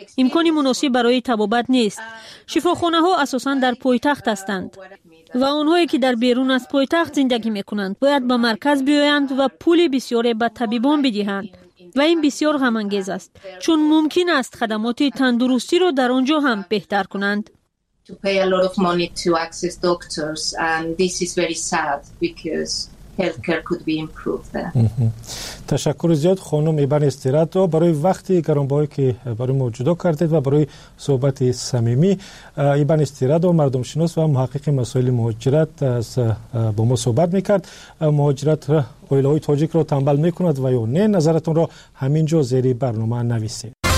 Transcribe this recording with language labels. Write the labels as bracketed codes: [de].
[fa] امکان مناسب برای طبابت نیست. شفاخانه ها اساساً در پایتخت هستند. و اونهایی که در بیرون از پایتخت زندگی میکنند، باید به مرکز بیایند و پول بسیار به طبیبان بدهند. و این بسیار غم‌انگیز است. چون ممکن است خدمات تندرستی را در آنجا هم بهتر کنند. [en] To pay a lot of money to access doctors, and this is very sad because healthcare could be improved there. [fa] تشکر زیاد خانم ایبن استرات و برای وقتی گرانبهایی که برای ما جدا کردید و برای صحبت صمیمی. ایبن استرات و مردم شناس و محقق مسائل مهاجرت از با ما صحبت میکرد. مهاجرت آیله های تاجیک را تنبل میکند و یا نه؟ نظرتون را همینجا زیر برنامه نویسید.